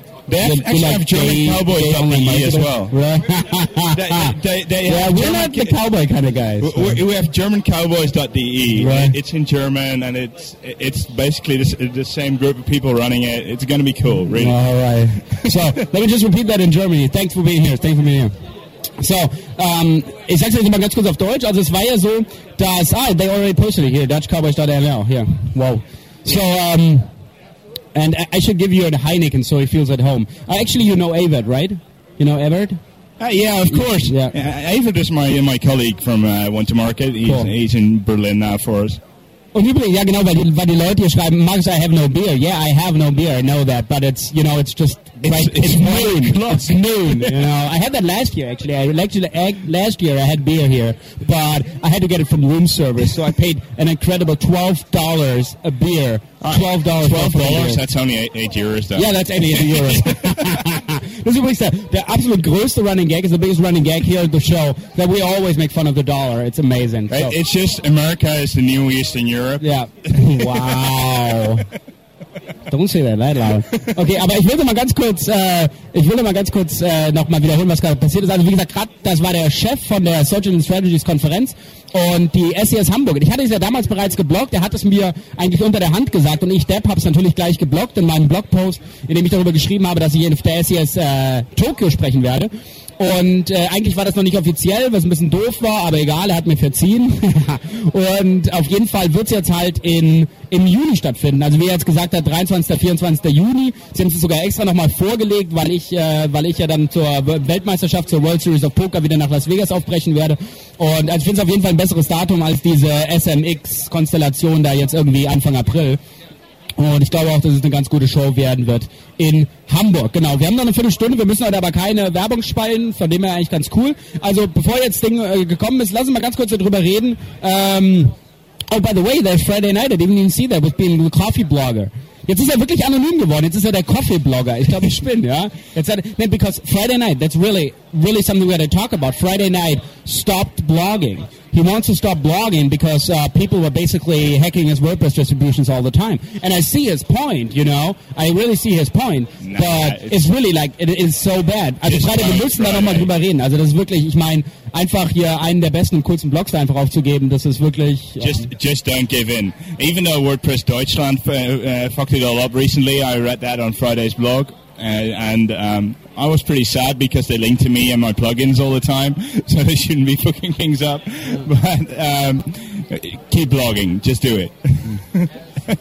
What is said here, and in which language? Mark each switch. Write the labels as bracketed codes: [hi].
[en] We're not the cowboy kind of guys. We have germancowboys.de. Right. It's in German, and it's basically the same group of people running it. It's going to be cool, really. All right. So let me just repeat that in Germany. Thanks for being here. [de] So, ich sag's jetzt mal ganz kurz auf Deutsch. Also es war ja so, dass... [en] they already posted it here, dutchcowboys.nl. Yeah. Wow. So, And I should give you a Heineken so he feels at home. Actually, you know Evert, right? You know Evert? Yeah, of course. Yeah. Ava, this is my colleague from One to Market. He's in Berlin now for us. [de] Und übrigens, ja genau, weil die Leute hier schreiben, Max, [en] I have no beer. Yeah, I have no beer, I know that, but it's, you know, it's just, it's noon. It's noon, you know. I had that last year, actually. Last year I had beer here, but I had to get it from room service, so I paid an incredible $12 a beer. $12 for a beer. $12, that's only 8 euros, though. Yeah, that's 8 euros. [de] Das ist übrigens der absolute größte Running Gag, [en] is the biggest running gag here at the show, that we always make fun of the dollar. It's amazing. So. It's just America is the new Eastern Europe. Yeah. Wow. Don't say that loud. [de] Okay, aber ich will mal ganz kurz, nochmal wiederholen, was gerade passiert ist. Also wie gesagt, gerade das war der Chef von der Social and Strategies Konferenz und die SES Hamburg. Ich hatte es ja damals bereits geblockt, er hat es mir eigentlich unter der Hand gesagt und ich, Depp, habe es natürlich gleich geblockt in meinem Blogpost, in dem ich darüber geschrieben habe, dass ich auf der SES Tokio sprechen werde. Und eigentlich war das noch nicht offiziell, was ein bisschen doof war, aber egal, er hat mir verziehen. Und auf jeden Fall wird es jetzt halt im Juni stattfinden. Also wie er jetzt gesagt hat, 23. 24. Juni, sie haben es sogar extra nochmal vorgelegt, weil ich ja dann zur Weltmeisterschaft, zur World Series of Poker wieder nach Las Vegas aufbrechen werde. Und also ich finde es auf jeden Fall ein besseres Datum als diese SMX-Konstellation da jetzt irgendwie Anfang April. Und ich glaube auch, dass es eine ganz gute Show werden wird in Hamburg. Genau, wir haben noch eine Viertelstunde, wir müssen heute aber keine Werbung spalten, von dem her eigentlich ganz cool. Also bevor jetzt Ding gekommen ist, lass uns mal ganz kurz darüber reden. [en] Oh, by the way, there's Friday Night, I didn't even see that, with being a coffee blogger. [de] Jetzt ist er wirklich anonym geworden, jetzt ist er der Coffee-Blogger. Ich glaube, ich bin, ja. [en] Because Friday Night, that's really, really something we got to talk about. Friday Night stopped blogging. He wants to stop blogging because people were basically hacking his WordPress distributions all the time. And I see his point, you know. I really see his point. Nah, but it's really like, it is so bad. [de] Also Friday, wir müssen da nochmal drüber reden. Also das ist wirklich, ich meine, einfach hier einen der besten und coolsten Blogs einfach aufzugeben, das ist wirklich... [en] Just don't give in. Even though WordPress Deutschland fucked it all up recently, I read that on Friday's blog. And I was pretty sad because they linked to me and my plugins all the time, so they shouldn't be fucking things up. But keep blogging, just do it.